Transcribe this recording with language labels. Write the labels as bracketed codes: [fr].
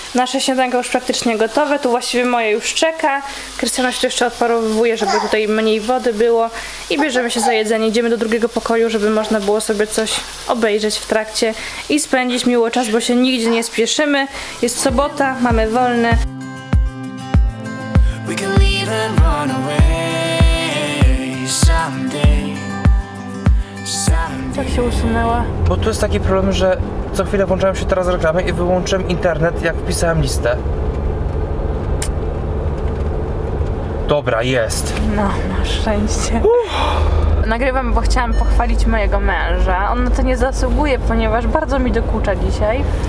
[pl] Nasze śniadanko już praktycznie gotowe. Tu właściwie moje już czeka. Krystiana się jeszcze odparowuje, żeby tutaj mniej wody było. I bierzemy się za jedzenie. Idziemy do drugiego pokoju, żeby można było sobie coś obejrzeć w trakcie i spędzić miło czas, bo się nigdzie nie spieszymy. Jest sobota, mamy wolne. [en] We can leave and run away someday. [pl] Tak się usunęła. Bo tu jest taki problem, że co chwilę włączałem się teraz reklamy i wyłączyłem internet, jak wpisałem listę. Dobra, jest. No, na szczęście. Nagrywam, bo chciałam pochwalić mojego męża. On na to nie zasługuje, ponieważ bardzo mi dokucza dzisiaj.